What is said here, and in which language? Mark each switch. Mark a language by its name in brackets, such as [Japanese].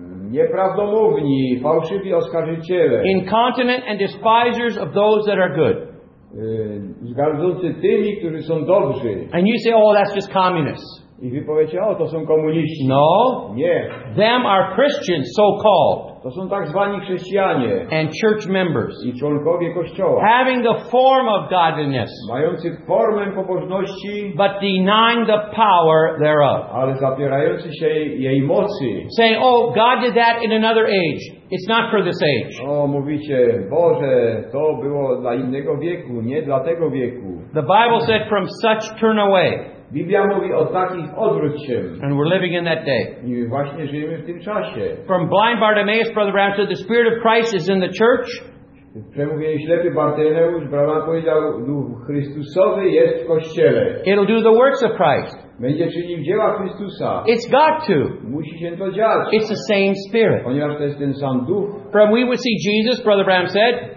[Polish] Nieprawdomówni, fałszywi oskarżyciele. [English] Incontinent and despisers of those that are good. [Polish] Zgardzący tymi, którzy są dobrzy. [English] And you say, oh, that's just communists. [Polish] I wy powiecie, o, to są komuniści. [English] No. [Polish] Nie. [English] Them are Christians, so called. [Polish] To są tak zwani chrześcijanie. [English] And church members. [Polish] I członkowie kościoła. [English] Having the form of godliness. [Polish] Mający formę pobożności. [English] But denying the power thereof. [Polish] Ale zapierający się jej mocy. [English] Saying, oh, God did that in another age. It's not for this age. [Polish] O, mówicie, Boże, to było dla innego wieku, nie dla tego wieku. [English] The Bible said, from such turn away. [Polish] Biblia mówi o takich odwróć się. [English] And we're living in that day. [Polish] I właśnie żyjemy w tym czasie. [English] From blind Bartimaeus, Brother Branham said, the Spirit of Christ is in the church. [Polish] Przemówienie ślepy Bartimaeusz, Branham powiedział, Duch Chrystusowy jest w Kościele. [English] It'll do the works of Christ. [Polish] Będzie czynił dzieła Chrystusa. [English] It's got to. [Polish] Musi się to dziać. [English] It's the same Spirit. [Polish] Ponieważ to jest ten sam Duch. [English] From we would see Jesus, Brother Branham said,